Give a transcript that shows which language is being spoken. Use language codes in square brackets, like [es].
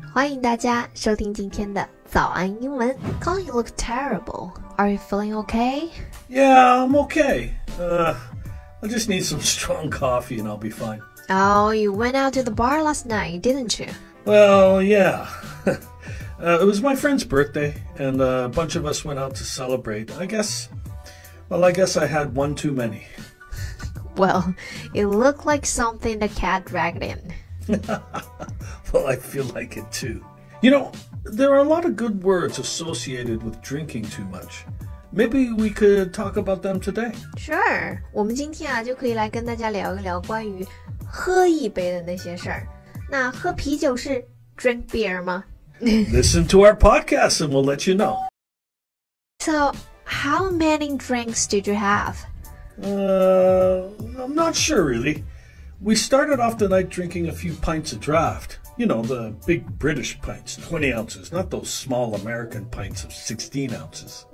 [zh] 欢迎大家收听今天的早安英文。 [en] Colin, you look terrible. Are you feeling okay? Yeah, I'm okay. I just need some strong coffee and I'll be fine. Oh, you went out to the bar last night, didn't you? Well, yeah. it was my friend's birthday, and a bunch of us went out to celebrate. I guess I had one too many. Well, it looked like something the cat dragged in. Well, I feel like it too. You know, there are a lot of good words associated with drinking too much. Maybe we could talk about them today. Sure. [zh] 我们今天啊就可以来跟大家聊一聊关于喝一杯的那些事儿。那喝啤酒是 [en] drink beer [zh] 吗？ [en] Listen to our podcast and we'll let you know. So, how many drinks did you have? I'm not sure really. We started off the night drinking a few pints of draft. You know, the big British pints, 20 ounces, not those small American pints of 16 ounces.